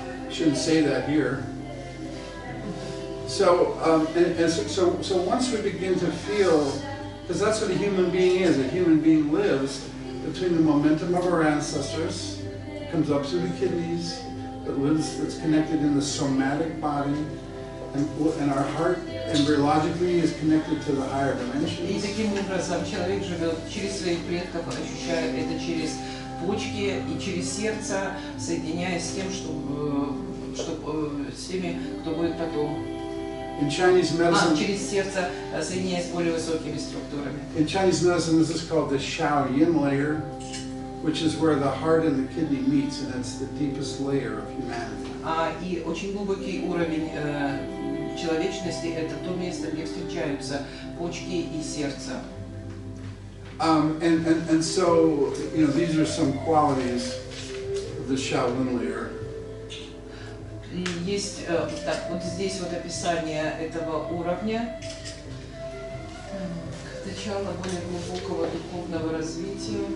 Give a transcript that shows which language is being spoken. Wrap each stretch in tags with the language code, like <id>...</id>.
<en>Shouldn't say that here. So once we begin to feel, because that's what a human being is. A human being lives between the momentum of our ancestors, comes up through the kidneys, that lives, that's connected in the somatic body. And our heart embryologically is connected to the higher dimensions.</en> <ru>И таким образом человек живет через своих предков, ощущая это через почки и через сердце, соединяясь с тем, с теми, кто будет потом.</ru> <en>In Chinese medicine.</en> <ru>Через сердце, соединяясь с более высокими структурами.</ru> <en>In Chinese medicine, this is called the Shao Yin layer, which is where the heart and the kidney meet, and that's the deepest layer of humanity.</en> <ru>И очень глубокий уровень человечности – это то место, где встречаются почки и сердце.</ru> <en>And so, you know, these are some qualities of the Shaolin layer.</en> <ru>Есть так вот здесь вот описание этого уровня. Начало более глубокого духовного развития.</ru>